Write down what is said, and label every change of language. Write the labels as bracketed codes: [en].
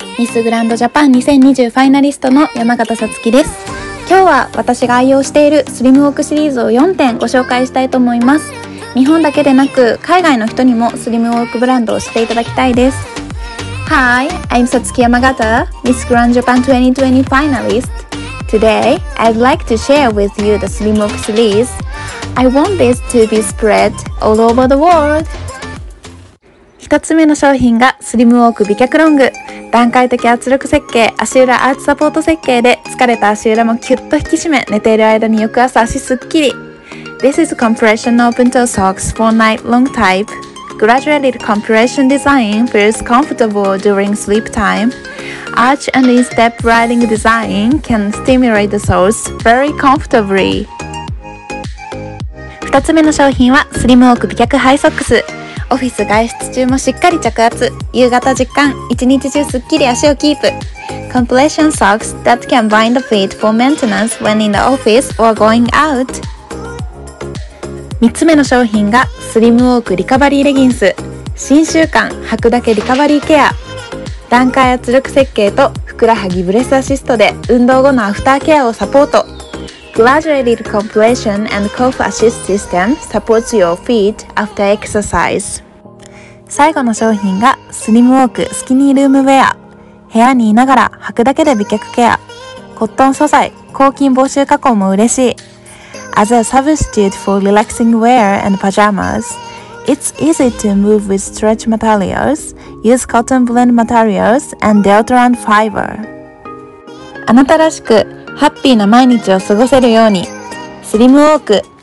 [ja] ミスグランドジャパン2020ファイナリストの山形さつきです。今日は私が愛用しているスリムウォークシリーズを4点ご紹介したいと思います。日本だけでなく海外の人にもスリムウォークブランドを知っていただきたいです。 [en] Hi, I'm Satsuki Yamagata, Miss Grand Japan 2020 finalist. Today, I'd like to share with you the Slim Walk series. I want this to be spread all over the world. [ja] 一つ目の商品がスリムウォーク美脚ロング。段階的圧力設計、足裏アーチサポート設計で疲れた足裏もキュッと引き締め、寝ている間に翌朝足すっきり。 [en] This is compression open toe socks for night long type. Graduated compression design feels comfortable during sleep time. Arch and instep riding design can stimulate the soles very comfortably. [ja] 2つ目の商品はスリムウォーク美脚ハイソックス。オフィス外出中もしっかり着圧、夕方実感、一日中すっきり足をキープ。 [en] Compression socks that can bind the feet for maintenance when in the office or going out. [ja] 3つ目の商品がスリムウォークリカバリーレギンス。新習慣、履くだけリカバリーケア。段階圧力設計とふくらはぎブレスアシストで運動後のアフターケアをサポート。 [en] Graduated compression and cough assist system supports your feet after exercise. [ja] 最後の商品がスリムウォークスキニールームウェア。部屋にいながら履くだけで美脚ケア。コットン素材、抗菌防臭加工も嬉しい。 [en] As a substitute for relaxing wear and pajamas, it's easy to move with stretch materials, use cotton blend materials, and deodorant fiber. [ja] あなたらしくハッピーな毎日を過ごせるように、スリムウォーク